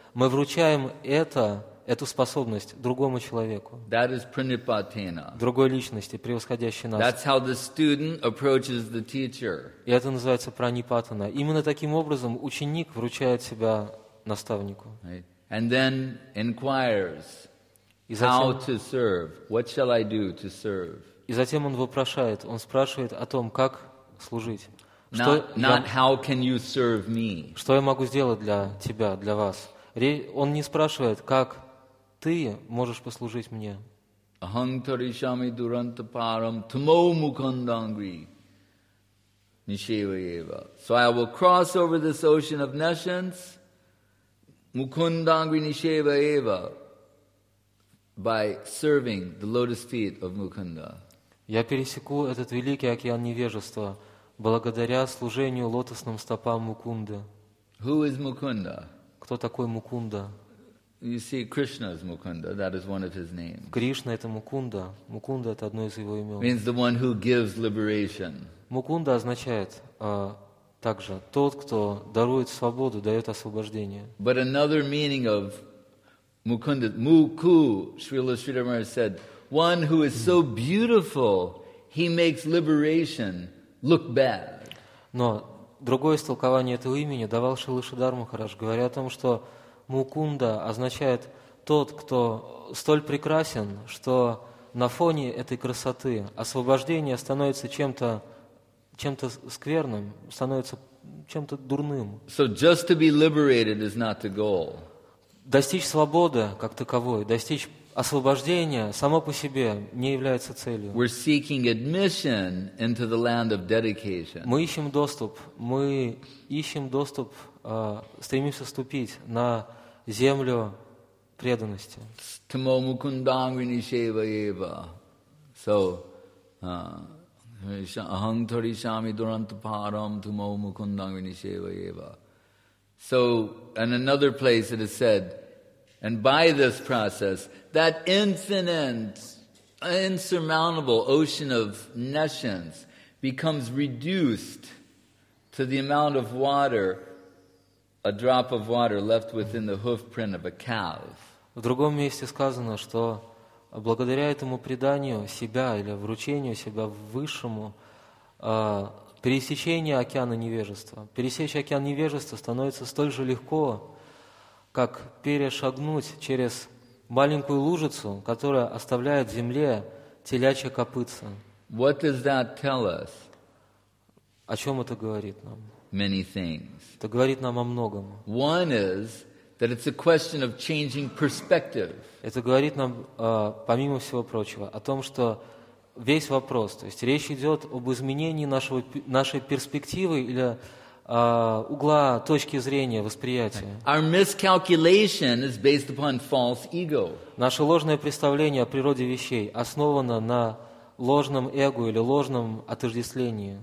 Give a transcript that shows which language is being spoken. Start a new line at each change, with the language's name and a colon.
Russian: Мы вручаем эту способность другому человеку.
English: That is pranipatena.
Russian: Другой личности, превосходящей нас.
English: That's how the student approaches the teacher.
Russian: И это называется пранипатана. Именно таким образом ученик вручает себя наставнику.
English: Right. And then inquires, how to serve? What shall I do to serve?
Russian: И затем он вопрошает, он спрашивает о том, как служить.
English: Not how can you serve me?
Russian: Что я могу сделать для тебя, для вас? Он не спрашивает, как ты можешь послужить мне.
Sanskrit: Ахам таришами дуранта парам тмо мукандангри нишевеева.
English: So I will cross over this ocean of nations.
Sanskrit: Mukundangri nisheva eva,
English: by serving the lotus feet of Mukunda.
Russian: Я пересеку этот великий океан невежества благодаря служению лотосным стопам Мукунды.
English: Who is Mukunda?
Russian: Кто такой Мукунда?
English: You see, Krishna is Mukunda. That is one of his names.
Russian: Кришна это Мукунда. Мукунда это одно из его имен.
English: Means the one who gives liberation.
Russian: Мукунда означает также тот, кто дарует свободу, дает освобождение.
English: But another meaning of Mukunda, Muku, Srila Sridhar Maharaj said, one who is so beautiful, he makes liberation look bad.
Russian: Но другое истолкование этого имени давал Шрила Шридхар Махарадж, говоря о том, что Мукунда означает тот, кто столь прекрасен, что на фоне этой красоты освобождение становится чем-то скверным, становится чем-то дурным.
English: So just to be liberated is not the goal.
Russian: Достичь свободы как таковой, достичь освобождение само по себе не является целью.
English: We're seeking admission into the land of dedication.
Russian: Мы ищем доступ. Мы ищем доступ, стремимся вступить на землю преданности.
Sanskrit: Tamo mukundang rinisheva eva. So, ahang tori shami durantaparam tamo mukundang rinisheva eva.
English: So, in another place it is said, and by this process, that infinite, insurmountable ocean of nescience becomes reduced to the amount of water, a drop of water left within the hoof print of a calf.
Russian: В другом месте сказано, что благодаря этому преданию себя или вручению себя Высшему, пересечение океана невежества. Пересечь океан невежества становится столь же легко, как перешагнуть через маленькую лужицу, которая оставляет в земле телячья копытца.
English: What does that tell us?
Russian: О чем это говорит нам?
English: Many things.
Russian: Это говорит нам о многом.
English: One is that it's a question of changing perspective.
Russian: Это говорит нам, помимо всего прочего, о том, что весь вопрос, то есть речь идет об изменении нашего, нашей перспективы или угла точки зрения, восприятия.
English: Our miscalculation is based upon false ego.
Russian: Наше ложное представление о природе вещей основано на ложном эго или ложном отождествлении.